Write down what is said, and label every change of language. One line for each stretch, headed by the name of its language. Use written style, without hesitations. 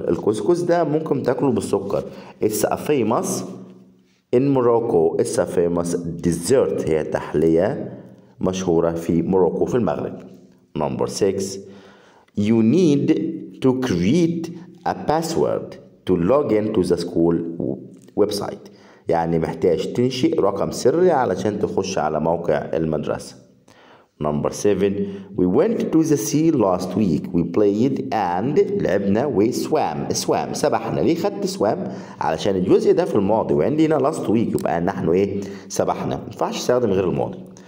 Arabic: الكوسكوس ده ممكن تاكله بالسكر.
English: It's a famous in Morocco. It's a famous dessert.
Arabic: هي تحلية مشهورة في موروكو في المغرب.
English: Number 6. You need to create a password to log in to the school website.
Arabic: يعني محتاج تنشئ رقم سري علشان تخش على موقع المدرسة.
English: Number 7. We went to the sea last week. We played and
Arabic: لعبنا
English: we swam.
Arabic: سبحنا. ليه خدت swam؟ علشان الجزء ده في الماضي وعندي هنا
English: last week،
Arabic: يبقى نحن ايه سبحنا، ما ينفعش استخدم غير الماضي.